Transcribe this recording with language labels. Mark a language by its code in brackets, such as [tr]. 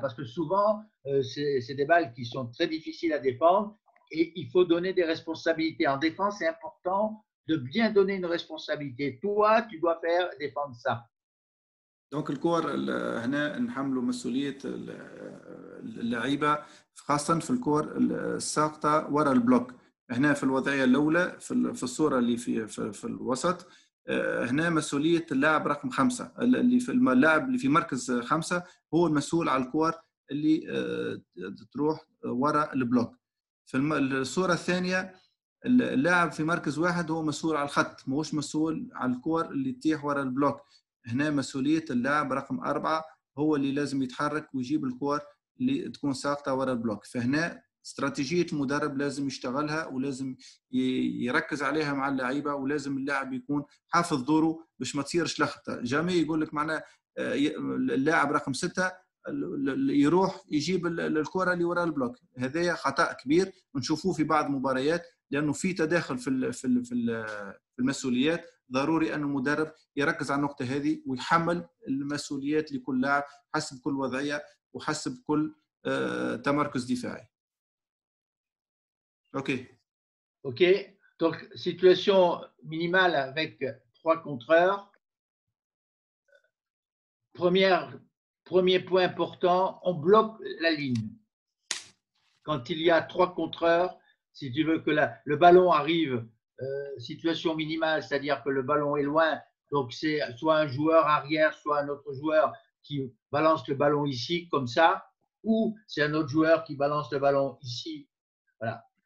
[fr] Parce que souvent, c'est des balles qui sont très difficiles à défendre et il faut donner des responsabilités. En défense, c'est important de bien donner une responsabilité. Toi, tu dois faire défendre ça. Donc, le corps, il y a un peu de l'aïba, [ar] خاصةً في الكور الساقطة وراء البلوك. هنا في الوضعية الأولى في الصورة اللي في الوسط هنا مسؤولية اللاعب رقم خمسة اللي في اللاعب اللي في مركز خمسة هو المسؤول على الكور اللي تروح وراء البلوك. في الصورة الثانية اللاعب في مركز واحد هو مسؤول على الخط موش مسؤول على الكور اللي تيح وراء البلوك. هنا مسؤولية اللاعب رقم أربعة هو اللي لازم يتحرك ويجيب الكور اللي تكون ساقطة وراء البلوك. فهنا استراتيجية المدرب لازم يشتغلها ولازم يركز عليها مع اللعيبة ولازم اللاعب يكون حافظ دوره باش ما تصيرش لخبطة. جامي يقول لك معناه اللاعب رقم ستة يروح يجيب الكرة اللي وراء البلوك. هذا خطأ كبير نشوفوه في بعض مباريات لأنه في تداخل في المسؤوليات. ضروري أن المدرب يركز على النقطة هذه ويحمل المسؤوليات لكل لاعب حسب كل وضعية وحسب كل تمركز دفاعي. اوكي. اوكي. [fr] Donc situation minimale avec 3 contreurs. Premier point important, on bloque la ligne. Quand il y a 3 contreurs, si tu veux que le ballon arrive, situation minimale, c'est-à-dire que le ballon est loin, donc c'est soit un joueur arrière, soit un autre joueur qui balance le ballon ici, comme ça, ou c'est un autre joueur qui balance le ballon ici. Voilà.